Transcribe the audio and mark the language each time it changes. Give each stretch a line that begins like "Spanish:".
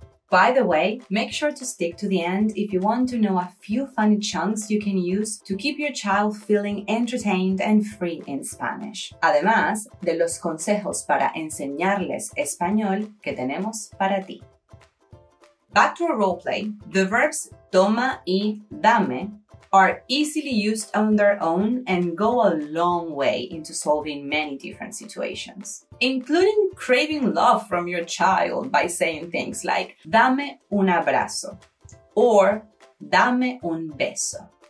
English: By the way, make sure to stick to the end if you want to know a few funny chunks you can use to keep your child feeling entertained and free in Spanish.
Spanish: Además de los consejos para enseñarles español que tenemos para ti.
English: Back to our roleplay, the verbs
Spanish: toma y dame
English: are easily used on their own and go a long way into solving many different situations, including craving love from your child by saying things like
Spanish: dame un abrazo
English: or
Spanish: dame un beso.